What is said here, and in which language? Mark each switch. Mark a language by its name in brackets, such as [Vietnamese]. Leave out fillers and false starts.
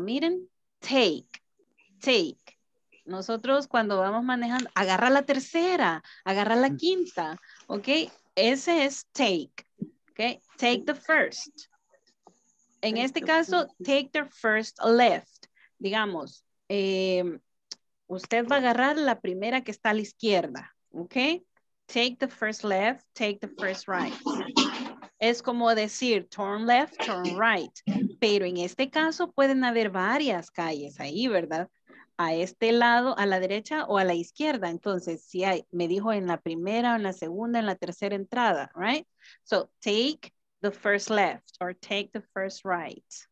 [Spanish] Miren, take. Nosotros cuando vamos manejando, agarra la tercera, agarra la quinta, okay? Ese es [English] take, okay? Take the first. [Spanish] En este caso, [English] take the first left. [Spanish] Digamos, usted va a agarrar la primera que está a la izquierda, okay? [English] Take the first left, take the first right. [Spanish] Es como decir, [English] turn left, turn right. [Spanish] Pero en este caso pueden haber varias calles ahí, ¿verdad? A este lado, a la derecha o a la izquierda. Entonces, si hay, me dijo en la primera, en la segunda, en la tercera entrada, right? [English] So, take the first left or take the first right.